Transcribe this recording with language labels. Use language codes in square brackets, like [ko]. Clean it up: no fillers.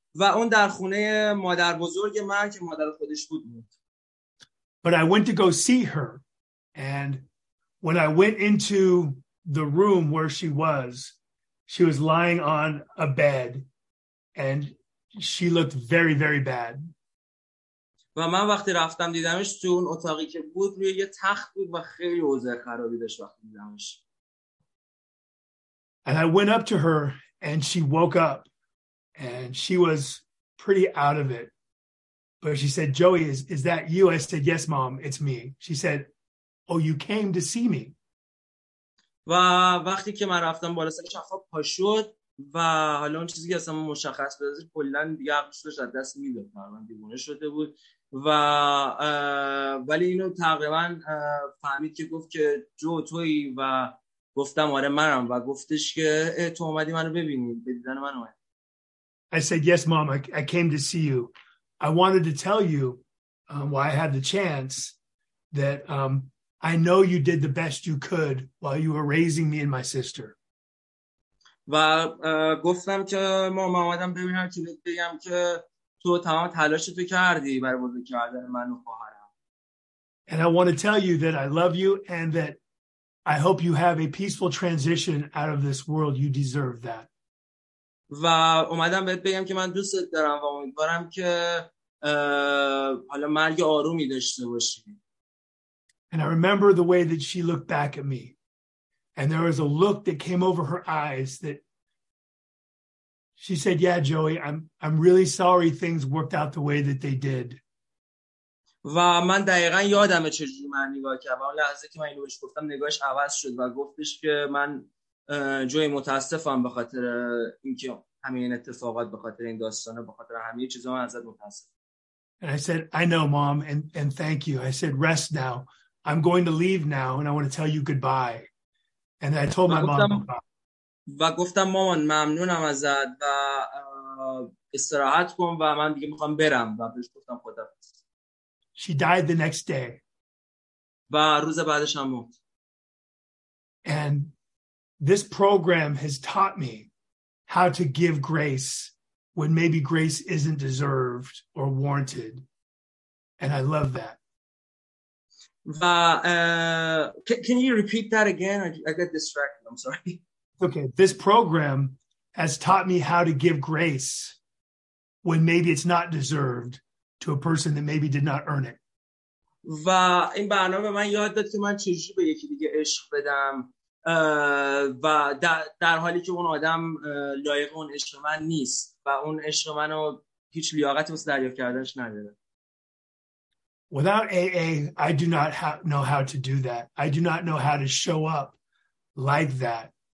[fa] و اون در خونه مادر بزرگ من که مادر خودش بود. [en] But I went to go see her. And when I went into the room where she was, She was lying on a bed and she looked very, very bad. [fa] و من وقتی رفتم دیدمش تو اون اتاقی که بود روی یه تخت بود و خیلی اوضاع خرابی داشت وقتی دیدمش. [en] And I went up to her and she woke up and she was pretty out of it. But she said, "Joey, is that you?" I said, "Yes, mom, it's me." She said, "Oh, you came to see me." [fa] و وقتی که من رفتم بالا سرش خواب پا شد و حالا اون چیزی که اصلا مشخص بود کلا دیگه عقلش داشت دست میداد من دیوونه شده بود و ولی اینو تقریبا فهمید که گفت که جو تویی و گفتم آره منم و گفتش که تو اومدی منو ببینی به دیدن من اومد. [en] I said yes mom, I came to see you. I wanted to tell you why I had the chance that I know you did the best you could while you were raising me and my sister. [fa] و گفتم که مامان اومدم ببینم چی بگم که تو تمام تلاش تو کردی برای بزرگ کردن من و خواهرم. [en] And I want to tell you that I love you and that I hope you have a peaceful transition out of this world. You deserve that. [fa] و اومدم بهت بگم که من دوستت دارم و امیدوارم که حالا مرگ آرومی داشته باشی. [en] And I remember the way that she looked back at me. And there was a look that came over her eyes that she said, "Yeah, Joey, I'm really sorry things worked out the way that they did." [fa] و من دقیقاً یادمه چجوری من نگاه کردم. اون لحظه که من اینو بهش گفتم نگاهش عوض شد و گفتش که من جوی متاسفم به خاطر اینکه همه این اتفاقات به خاطر این داستانه به خاطر همه چیزا من ازت متاسفم. [en] And I said, "I know, mom, and thank you." I said, "Rest now. I'm going to leave now and I want to tell you goodbye." And I told my mom. [fa] و گفتم مامان ممنونم ازت و استراحت کن و من دیگه میخوام برم و بهش گفتم خدافظ. [en] She died the next day. [fa] و روز بعدش هم مرد. [en] And this program has taught me how to give grace when maybe grace isn't deserved or warranted. And I love that. Can you repeat that again? I got distracted. I'm sorry. Okay. This program has taught me how to give grace when maybe it's not deserved to a person that maybe did not earn it. [fa] و این برنامه من یاد داد که من چجوری به یکی دیگه عشق بدم و در حالی که اون آدم لایق اون عشق من نیست و اون عشق منو هیچ لیاقتی واسه دریافت کردنش نداره. [en] Without AA, I do not know how to do that. I do not know how to show up like that.